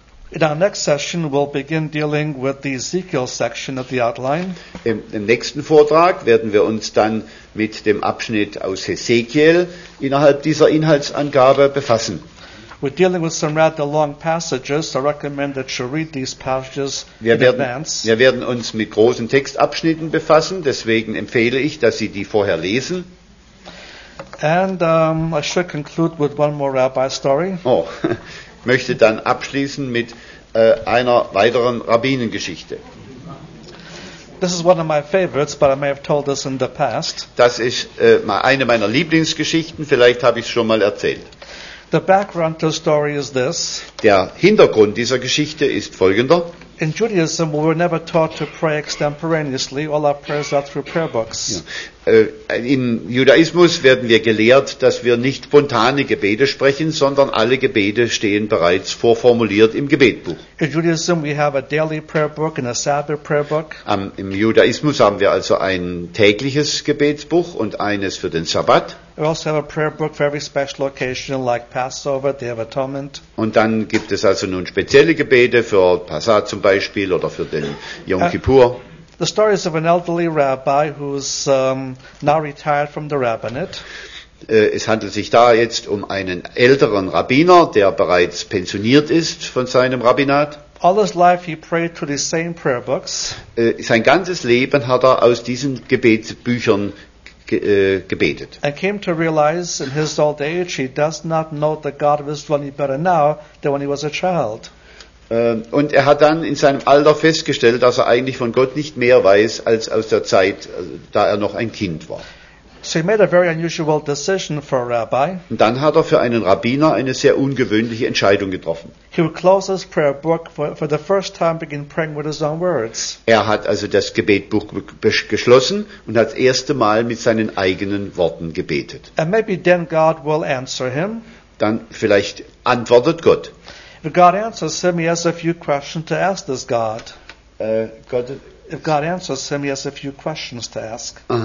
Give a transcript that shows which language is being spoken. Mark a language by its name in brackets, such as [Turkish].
[English] In our next session we'll begin dealing with the Ezekiel section of the outline. [German] Im nächsten Vortrag werden wir uns dann mit dem Abschnitt aus Ezekiel innerhalb dieser Inhaltsangabe befassen. [English] We're dealing with some rather long passages. I recommend that you read these passages in advance. [German] Wir werden uns mit großen Textabschnitten befassen, deswegen empfehle ich, dass Sie die vorher lesen. [English] And I should conclude with one more rabbi story. [German] Oh, möchte dann abschließen mit einer weiteren Rabbinengeschichte. [English] This is one of my favorites, but I may have told this in the past. [German] Das ist eine meiner Lieblingsgeschichten, vielleicht habe ich es schon mal erzählt. [English] The background to the story is this. [German] Der Hintergrund dieser Geschichte ist folgender. [English] In Judaism, we were never taught to pray extemporaneously. All our prayers are through prayer books. [German] Ja. In Judaismus werden wir gelehrt, dass wir nicht spontane Gebete sprechen, sondern alle Gebete stehen bereits vorformuliert im Gebetbuch. [English] In Judaism, we have a daily prayer book and a Sabbath prayer book. [German] Im Judaismus haben wir also ein tägliches Gebetsbuch und eines für den Sabbat. [English] We also have a prayer book for every special occasion, like Passover, Day of Atonement. [German] Und dann gibt es also nun spezielle Gebete für Passah zum Beispiel oder für den Yom Kippur. [English] The story is of an elderly rabbi who's now retired from the rabbinate. [German] Es handelt sich da jetzt um einen älteren Rabbiner, der bereits pensioniert ist von seinem Rabbinat. [English] All his life he prayed to the same prayer books. [German] Sein ganzes Leben hat er aus diesen Gebetsbüchern gebetet. [English] And came to realize in his old age he does not know the God of Israel any better now than when he was a child. [German] Und er hat dann in seinem Alter festgestellt, dass er eigentlich von Gott nicht mehr weiß als aus der Zeit, da er noch ein Kind war. [English] So he made a very unusual decision for a rabbi. [German] Und dann hat er für einen Rabbiner eine sehr ungewöhnliche Entscheidung getroffen. [English] He would close his prayer book for the first time, begin praying with his own words. [German] Er hat also das Gebetbuch geschlossen und hat das erste Mal mit seinen eigenen Worten gebetet. [English] And maybe then God will answer him. [German] Dann vielleicht antwortet Gott. [English] If God answers him, he has a few questions to ask this God. If God answers him, he has a few questions to ask.